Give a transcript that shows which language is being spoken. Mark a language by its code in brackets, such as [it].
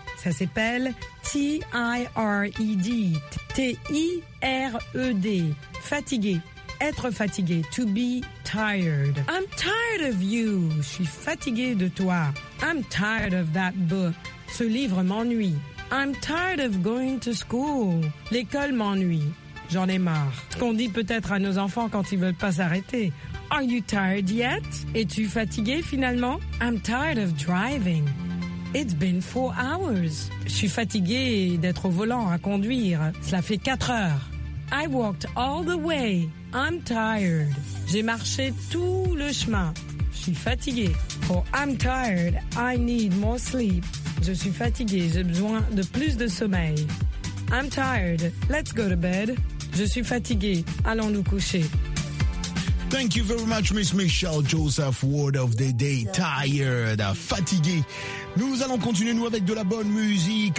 [fr] Ça s'appelle T-I-R-E-D. T-I-R-E-D. Fatigué. Être fatigué. [en] To be tired. I'm tired of you. [fr] Je suis fatigué de toi. [en] I'm tired of that book. [fr] Ce livre m'ennuie. [en] I'm tired of going to school. [fr] L'école m'ennuie. J'en ai marre. Ce qu'on dit peut-être à nos enfants quand ils veulent pas s'arrêter. [en] Are you tired yet? [fr] Es-tu fatigué finalement? [en] I'm tired of driving. It's been 4 hours. [fr] Je suis fatigué d'être au volant à conduire. Cela fait 4 heures. [en] I walked all the way. I'm tired. [fr] J'ai marché tout le chemin. Je suis fatigué. [en] For I'm tired, I need more sleep. [fr] Je suis fatigué, j'ai besoin de plus de sommeil. [en] I'm tired. Let's go to bed. [fr] Je suis fatigué. Allons nous coucher. [en] Thank you very much, Miss Michelle Joseph. Word of the day, tired, fatigué. [fr] Nous allons continuer, nous, avec de la bonne musique.